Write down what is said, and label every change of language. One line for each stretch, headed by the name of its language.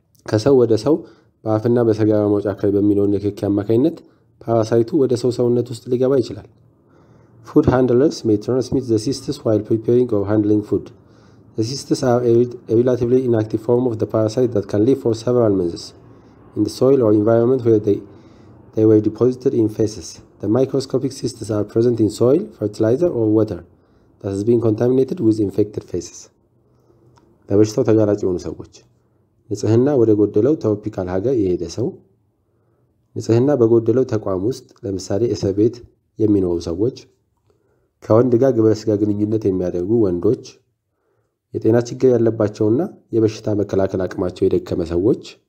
Amharic: ከሰው ወደ ሰው በአፍና በሰገራ መውጫ አካባቢ በሚኖር ንክኪ አማካኝነት ፓራሳይቱ ወደ ሰው ሰውነት ውስጥ ሊገባ ይችላል።
English: ፉድ ሃንድለርስ ሜይ ትራንስሚት ዘ ሲስትስ ዋይል ፕሪፔሪንግ ኦር ሃንድሊንግ ፉድ። ዘ ሲስትስ አር ኤ ሪላቲቭሊ ኢንአክቲቭ ፎርም ኦፍ ዘ ፓራሳይት ዛት ካን ሊቭ ፎር ሰቨራል መንዝስ in the soil or environment where they were deposited in feces. The microscopic cysts are present in soil, fertilizer, or water that has been contaminated with infected feces.
Amharic: ለበሽታው ተጋላጭ የሆኑ ሰዎች ንጽህና ወደ ጎደለው ትሮፒካል ሀገር የሄደ ሰው፣ ንጽህና በጎደለው ተቋም ውስጥ ለምሳሌ እስር ቤት የሚኖሩ ሰዎች፣ ከወንድ ጋር ግብረ ስጋ ግንኙነት የሚያደርጉ ወንዶች፣ የጤና ችግር ያለባቸውና የበሽታ መከላከል አቅማቸው የደከመ ሰዎች፣